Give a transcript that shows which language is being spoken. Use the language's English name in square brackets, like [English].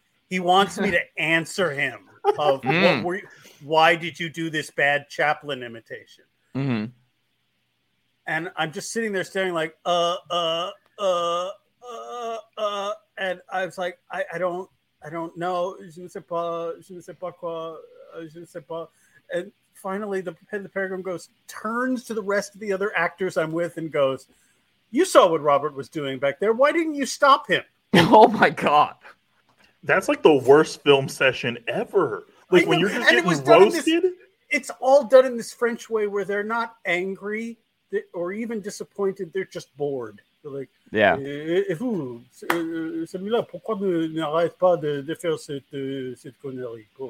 [English] He wants me to answer him of why did you do this bad Chaplin imitation? Mm-hmm. And I'm just sitting there staring like, and I was like, I don't know. [French] Je ne sais pas. Je ne sais pas quoi. Je ne sais pas. [English] And finally, the paragraph goes, turns to the rest of the other actors I'm with and goes, "You saw what Robert was doing back there. Why didn't you stop him?" Oh my God. That's like the worst film session ever. Like when you're just getting roasted. It's all done in this French way where they're not angry or even disappointed. They're just bored. They're like, yeah. [French] "Et vous, celui-là, pourquoi ne n'arrête pas de faire cette connerie?